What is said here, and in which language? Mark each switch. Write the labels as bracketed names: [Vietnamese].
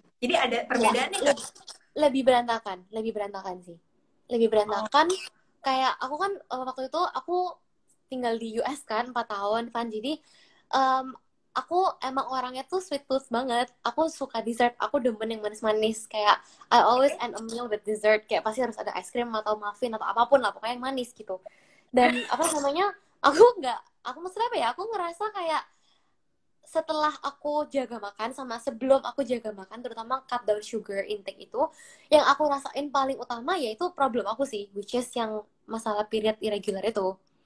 [Indonesian] Jadi ada perbedaannya nggak? Lebih berantakan sih. Lebih berantakan. kayak aku kan waktu itu aku tinggal di US kan 4 tahun kan, jadi aku emang orangnya tuh [English] sweet tooth [Indonesian] banget. Aku suka dessert, aku demen yang manis-manis. Kayak [English] I always end a meal with dessert. [Indonesian] Kayak pasti harus ada ice cream atau muffin atau apapun lah, pokoknya yang manis gitu. Dan apa namanya, aku nggak, aku maksudnya apa ya, aku ngerasa kayak setelah aku jaga makan sama sebelum aku jaga makan, terutama [English] cut down sugar intake [Indonesian] itu, yang aku rasain paling utama yaitu problem aku sih, [English] which is [Indonesian] yang masalah period irregular itu.